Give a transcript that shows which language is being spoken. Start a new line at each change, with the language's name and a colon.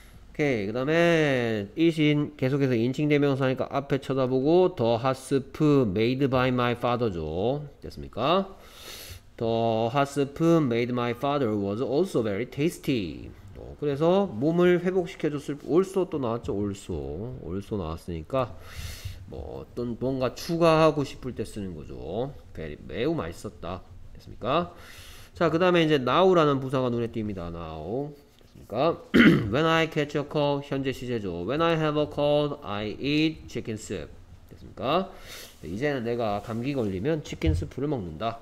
Korean: 오케이 그 다음에 it인 계속해서 인칭 대명사니까 앞에 쳐다보고
English: the hot soup made by my father
Korean: 죠 됐습니까
English: the hot soup made my father was also very tasty
Korean: 그래서 몸을 회복시켜줬을 also 또 나왔죠 also 나왔으니까 뭐 어떤 뭔가 추가하고 싶을 때 쓰는 거죠. 매우 맛있었다. 됐습니까? 자, 그다음에 이제 now라는 부사가 눈에 띕니다.
English: now.
Korean: 됐습니까?
English: when I catch a call
Korean: 현재 시제죠.
English: when I have a cold, I eat chicken soup.
Korean: 됐습니까? 네, 이제는 내가 감기 걸리면 치킨 수프를 먹는다.